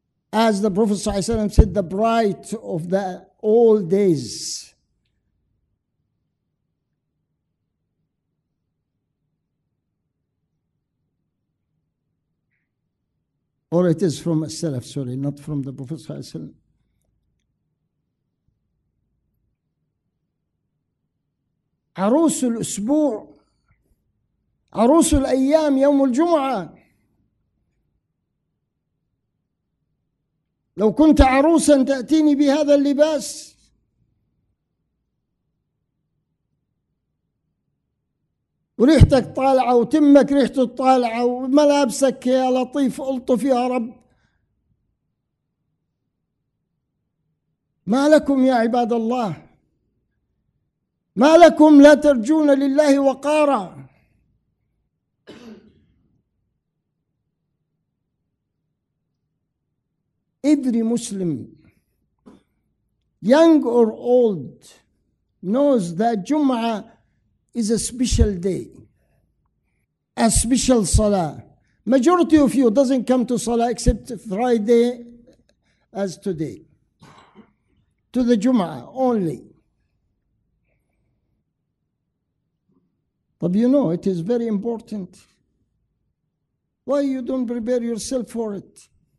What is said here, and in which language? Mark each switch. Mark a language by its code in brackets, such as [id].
[en] As the Prophet ﷺ said, the bright of the all days. Or it is from a Salaf, sorry, not from the Prophet Sallallahu Alaihi Wasallam. [ar] عروس الأسبوع عروس الأيام يوم الجمعة لو كنت عروسا تأتيني بهذا اللباس وريحتك طالعة وتمك ريحته طالعة وملابسك يا لطيف ألطف يا رب ما لكم يا عباد الله ما لكم لا ترجون لله وقارا [en] Every Muslim, young or old, knows that Jum'ah is a special day, a special salah. Majority of you doesn't come to salah except Friday as today, to the Jum'ah only. But you know, it is very important. Why you don't prepare yourself for it?